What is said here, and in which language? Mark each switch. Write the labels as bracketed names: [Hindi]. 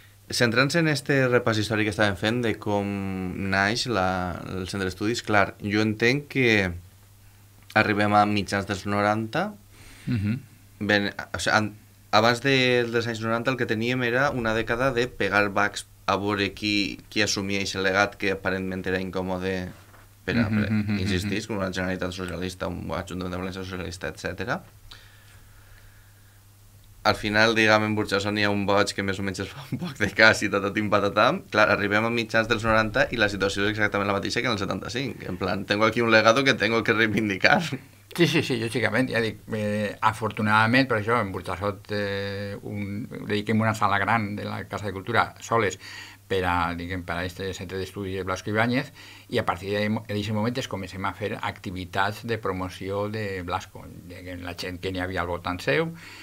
[Catalan] Centrant-se en este repàs històric que estàvem fent de com naix el centre d'estudis, clar, jo entenc que arribem a mitjans dels 90, ben, o sigui, abans dels anys 90 el que teníem era una dècada de pegar bacs a veure qui assumia aquest legat que aparentment era incòmode per a, insistir, com una Generalitat Socialista, un Ajuntament de València Socialista, etc. Al final, diguem, en Burjassó n'hi ha un boig que més o menys es fa un poc de cas i tatatim patatam. Clar, arribem a mitjans dels 90 i la situació és exactament la mateixa que en el 75. [Spanish] En plan, tengo aquí un legado que tengo que reivindicar. [Catalan] Sí, lògicament, ja dic, afortunadament, per això, en Burjassó dediquem una sala gran de la Casa de Cultura, soles, per a, diguem, per a este centre d'estudis de Blasco Ibáñez, i a partir d'aquest moment es comencem a fer activitats de promoció de Blasco, diguem, la gent que n'hi havia al voltant seu.